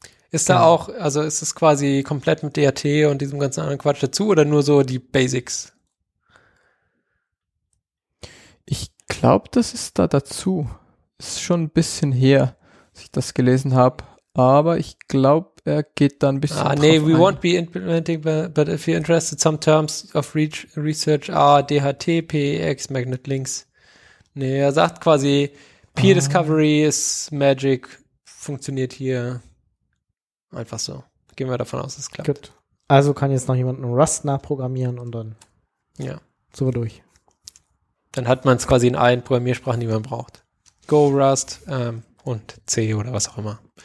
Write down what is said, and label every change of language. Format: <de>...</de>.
<de>Ist da auch, also ist es quasi komplett mit DAT und diesem ganzen anderen Quatsch dazu oder nur so die Basics? Ich glaube, das ist da dazu. Ist schon ein bisschen her, dass ich das gelesen habe, aber ich glaube, er geht da ein bisschen drauf ein.</de> <en>We won't be implementing, but if you're interested, some terms of research are DHT, PEX, Magnet Links.</en> <de>Nee, er sagt quasi,</de> <en>Peer Discovery is magic,</en> <de>funktioniert hier einfach so. Gehen wir davon aus, es klappt. Gut. Also kann jetzt noch jemand einen Rust nachprogrammieren und dann sind wir durch. Dann hat man es quasi in allen Programmiersprachen, die man braucht. Go, Rust und C oder was auch immer.</de>